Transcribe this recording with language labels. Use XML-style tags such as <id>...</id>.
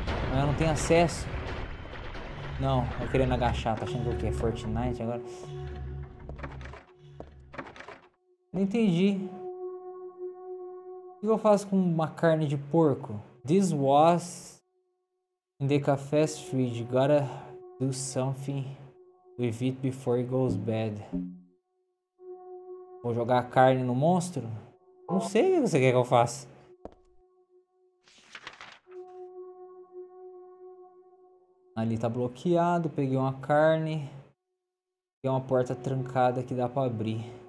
<pt>Mas eu não tenho acesso. Não, eu querendo agachar. Tá achando que o quê? Fortnite agora? Não entendi. O que eu faço com uma carne de porco?</pt> <en>This was in the cafe street. Gotta do something with it before it goes bad.</en> <pt>Vou jogar a carne no monstro? Não sei o que você quer que eu faça. Ali tá bloqueado. Peguei uma carne. Tem uma porta trancada que dá pra abrir.</pt>